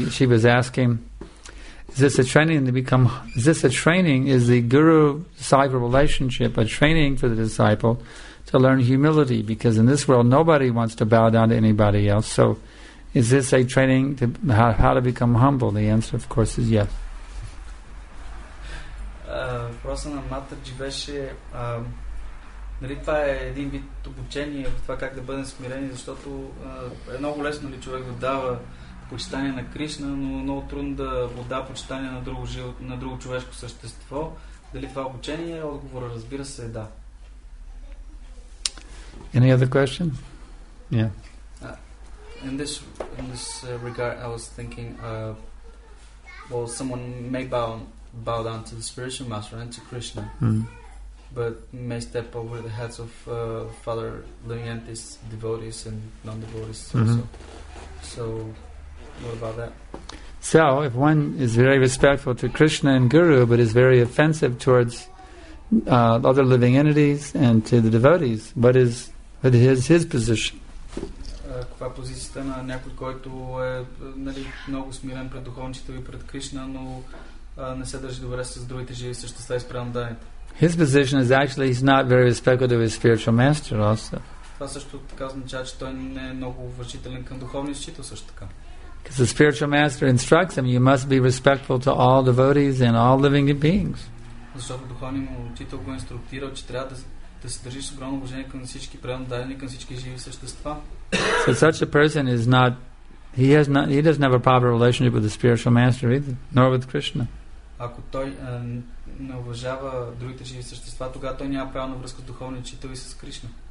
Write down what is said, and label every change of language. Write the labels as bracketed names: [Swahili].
[English] She was asking, is this a training to become, is this a training, is the guru-disciple relationship a training for the disciple to learn humility, because in this world nobody wants to bow down to anybody else. So is this a training to how to become humble? The answer, of course, is yes. [Bulgarian] Въпроса на Матърджи беше, нали това е един вид обучение в това как да бъдем смирени, защото е много лесно ли човек да дава почитание на Кришна, но много трудно да отдава почитание на друго, на друго човешко същество. Дали това е обучение? Отговора, разбира се, е да. [English] Any other question? Yeah. In this regard, I was thinking, well, someone may bow down to the spiritual master and to Krishna, but may step over the heads of Father Lunyantis, devotees and non-devotees also. Mm-hmm. So, what about that? So, if one is very respectful to Krishna and Guru, but is very offensive towards other living entities and to the devotees, what is... But his position. [Bulgarian] Каква е позицията на някой, който е нали, много смирен пред духовничите и пред Кришна, но не се държи добре с другите живи същества и спрямо даните? [English] His position is actually he's not very respectful to his spiritual master also. [Bulgarian] Това също така означава, че той не е много уважителен към духовния учител също така. [English] Because the spiritual master instructs him, you must be respectful to all devotees and all living beings. [Bulgarian] Защото духовният учител го инструктира, че трябва да да се държи с огромно уважение към всички правилно дадени, към всички живи същества. [English] So such a person is not, he doesn't have a proper relationship with the spiritual master either, nor with Krishna. [Bulgarian] Ако той не уважава другите живи същества, тогава той няма правилна връзка с духовния учител и с Кришна.